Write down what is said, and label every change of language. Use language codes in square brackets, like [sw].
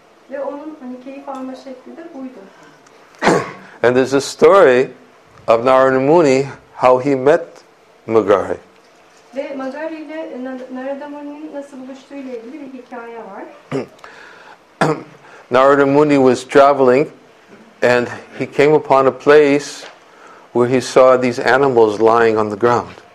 [tr] Ve onun hani keyif alma şekli de buydu. [en] And there's a story of Narada Muni how he met Megari. [tr] Ve Megari ile Narada Muni'nin nasıl buluştuğu ile ilgili bir hikaye var. [en] Narada Muni was traveling and he came upon a place where he saw these animals lying on the ground.